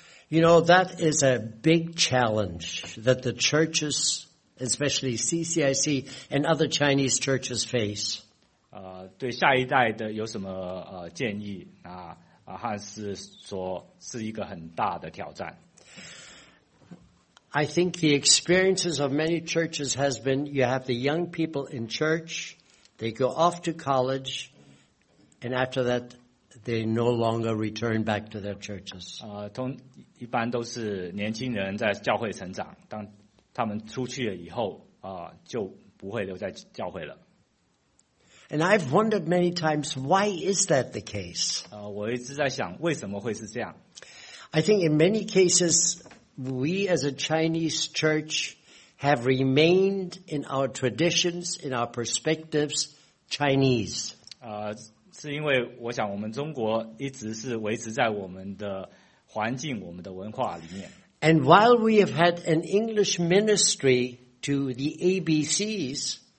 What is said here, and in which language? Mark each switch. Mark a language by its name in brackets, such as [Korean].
[English] You know, that is a big challenge that the churches, especially CCIC and other Chinese churches face. [Chinese] 对下一代的有什么建议啊？汉斯说是一个很大的挑战。 [English] I think the experiences of many churches has been you have the young people in church, they go off to college, and after that,They no longer return back to their churches. [Chinese] 一般都是年轻人在教会成长，当他们出去了以后，就不会留在教会了。 [English] And I've wondered many times, why is that the case? [Chinese] 我一直在想，为什么会是这样？ [English] I think in many cases, we as a Chinese church have remained in our traditions, in our perspectives, Chinese. [Chinese] 是因为我想，我们中国一直是维持在我们的环境、我们的文化里面。 [English] And while we have had an English ministry to the ABCs,